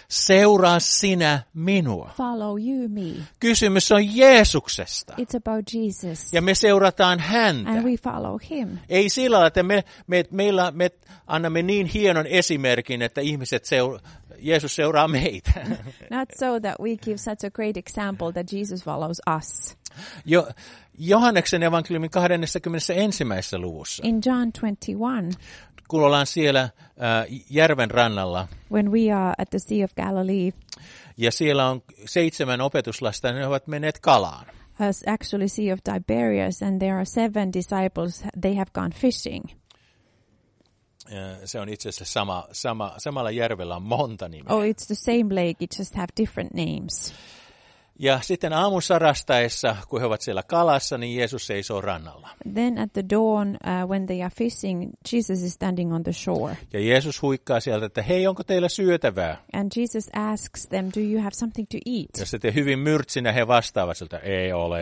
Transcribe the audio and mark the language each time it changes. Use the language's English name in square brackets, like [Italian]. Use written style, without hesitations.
[Finnish] Seuraa sinä minua. [English] Follow you me. [Finnish] Kysymys on Jeesuksesta. [English] It's about Jesus. [Finnish] Ja me seurataan häntä. [English] And we follow him. [Finnish] Ei sillä lailla, että me annamme niin hienon esimerkin, että ihmiset Jeesus seuraa meitä. [English] Not so that we give such a great example that Jesus follows us. [Finnish] Johanneksen evankeliumin 21. luvussa. [English] In John 21. [Finnish] Kun ollaan siellä järven rannalla. [English] When we are at the Sea of Galilee. [Finnish] Ja siellä on 7 opetuslasta, ne ovat menneet kalaan. [English] As actually Sea of Tiberias, and there are 7 disciples, they have gone fishing. [Finnish] Se on itse asiassa samalla järvellä on monta nimeä. [English] Oh, it's the same lake, it just have different names. [Finnish] Ja sitten aamun sarastaessa, kun he ovat siellä kalassa, niin Jeesus seisoo rannalla. [English] Then at the dawn, when they are fishing, Jesus is standing on the shore. [Finnish] Ja Jeesus huikkaa sieltä, että hei, onko teillä syötävää? [English] And Jesus asks them, do you have something to eat? [Finnish] Ja sitten hyvin myrtsinä he vastaavat sieltä, ei ole.